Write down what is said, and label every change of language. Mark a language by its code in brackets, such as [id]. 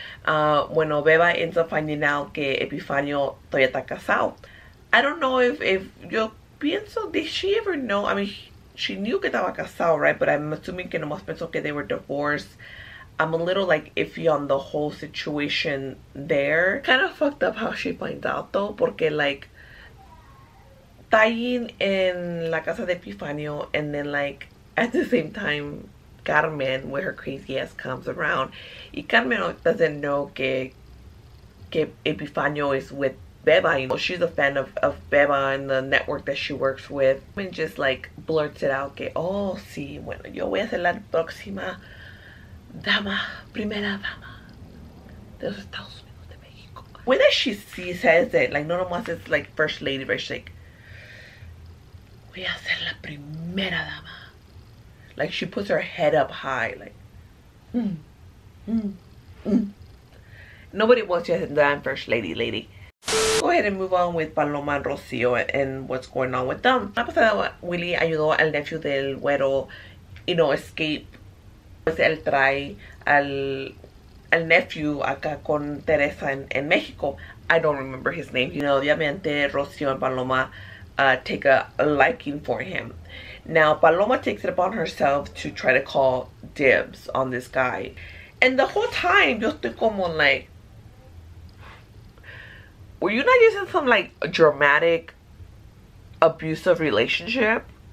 [es] Bueno, Beba [en] ends up finding out [es] que Epifanio todavía está casado. [en] I don't know if [es] yo pienso, [en] did she ever know? I mean, she knew [es] que estaba casado, [en] right? But I'm assuming [es] que nomás pensó que [en] they were divorced. I'm a little, like, iffy on the whole situation there. Kind of fucked up how she finds out, though, porque, like, tying in [es] la casa de [en] Epifanio and then like at the same time Carmen with her crazy ass comes around. Y Carmen doesn't know que Epifanio is with Beba, you know, she's a fan of Beba and the network that she works with. And just like blurts it out [es] que, oh, sí, bueno, yo voy a ser la próxima dama, primera dama de los Estados Unidos de México. [en] The way that she says it, like, [es] no nomás [en] it's like first lady, but she's like, [es] voy a ser la primera dama. [en] Like, she puts her head up high, like, Nobody wants you to say that I'm first lady, lady. Go ahead and move on with Paloma and Rocio and what's going on with them. [es] La pasada, Willy ayudó al nephew del güero, [en] you know, escape. [es] Pues él trae al nephew acá con Teresa en México. [en] I don't remember his name. You know, obviamente, Rocio and Paloma take a liking for him. Now, Paloma takes it upon herself to try to call dibs on this guy. And the whole time, [es] yo estoy como [en] like, were you not just in some, like, dramatic, abusive relationship?